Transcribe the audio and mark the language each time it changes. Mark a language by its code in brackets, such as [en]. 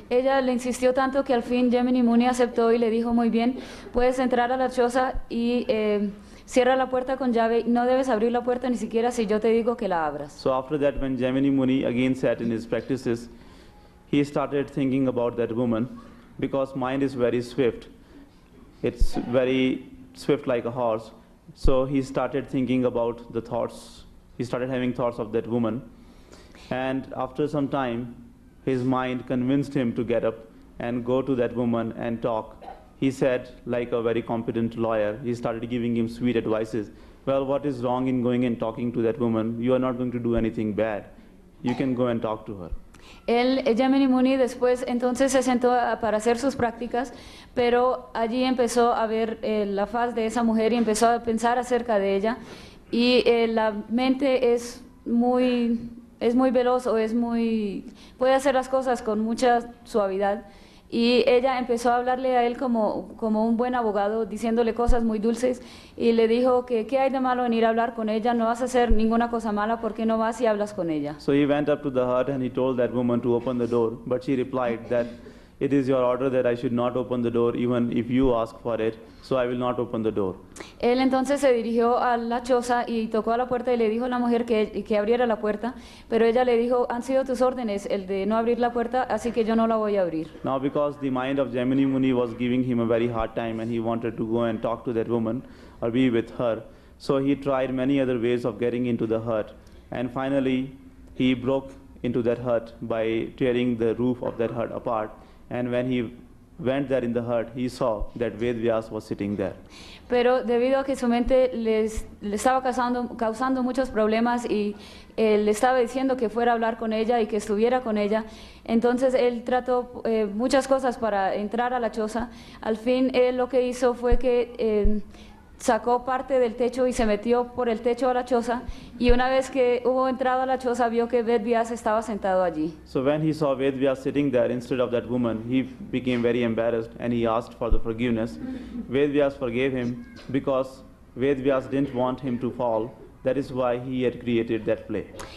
[es] Ella le insistió tanto que al fin Jemini Muni aceptó y le dijo muy bien, puedes entrar a la choza y cierra la puerta con llave. No debes abrir la puerta ni siquiera si yo te digo que la abras. [en] So after that, when Jemini Muni again sat in his practices, he started thinking about that woman, because mind is very swift. It's very swift like a horse. So he started thinking about the thoughts. He started having thoughts of that woman. And after some time, his mind convinced him to get up and go to that woman and talk. He said, like a very competent lawyer, he started giving him sweet advices. Well, what is wrong in going and talking to that woman? You are not going to do anything bad. You can go and talk to her. [es] Él, Jemini Muni, después entonces se sentó para hacer sus prácticas, pero allí empezó a ver la faz de esa mujer y empezó a pensar acerca de ella. Y la mente es muy veloz o puede hacer las cosas con mucha suavidad. Y ella empezó a hablarle a él como un buen abogado, diciéndole cosas muy dulces, y le dijo que qué hay de malo en ir a hablar con ella, no vas a hacer ninguna cosa mala, ¿por qué no vas y hablas con ella? [en] So he went up to the hut and he told that woman to open the door, but she replied that it is your order that I should not open the door, even if you ask for it, so I will not open the door. [es] Él entonces se dirigió a la choza y tocó a la puerta y le dijo a la mujer que abriera la puerta, pero ella le dijo, han sido tus órdenes el de no abrir la puerta, así que yo no la voy a abrir. [en] Now because the mind of Jamini Muni was giving him a very hard time and he wanted to go and talk to that woman or be with her, so he tried many other ways of getting into the hut, and finally he broke into that hut by tearing the roof of that hut apart. And when he went there in the hut, he saw that Ved Vyas was sitting there. [es] Pero debido a que su mente le estaba causando muchos problemas y él estaba diciendo que fuera a hablar con ella y que estuviera con ella, entonces él trató muchas cosas para entrar a la choza. Al fin, él lo que hizo fue que sacó parte del techo y se metió por el techo a la choza, y una vez que hubo entrado a la choza, vio que Ved Vyas estaba sentado allí. [en] So when he saw Ved Vyas sitting there instead of that woman, he became very embarrassed and he asked for the forgiveness. Ved Vyas forgave him because Ved Vyas didn't want him to fall. That is why he had created that play.